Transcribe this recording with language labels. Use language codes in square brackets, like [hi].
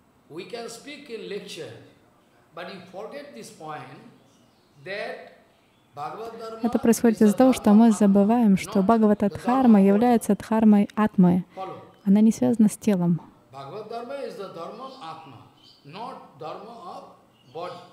[en] We can speak in lecture, but you forget this point that Bhagavad Dharma. [ru] Это происходит из-за того, что мы забываем, что Бхагавата Дхарма является дхармой Атмы. Она не связана с телом. [en] Bhagavad Dharma is the dharma of Atma, not dharma of body.